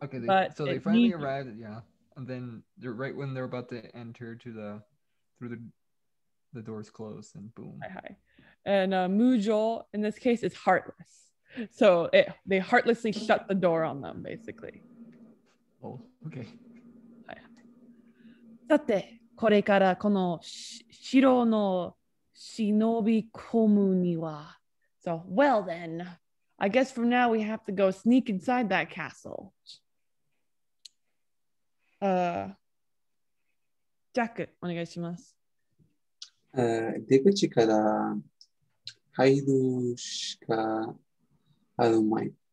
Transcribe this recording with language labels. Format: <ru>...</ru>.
<en>Okay. They finally arrived. Yeah. And then they're right when they're about to enter to the, through the doors closed and boom. Hi. And Mujo in this case is heartless. So it, they heartlessly shut the door on them basically. Oh, okay.</en> <ja>さて、これからこの城の忍び込むには。</ja> <en>So, well then, I guess from now we have to go sneak inside that castle.</en> <ja>ジャック、お願いします。出口から入るしかあるまい。</ja>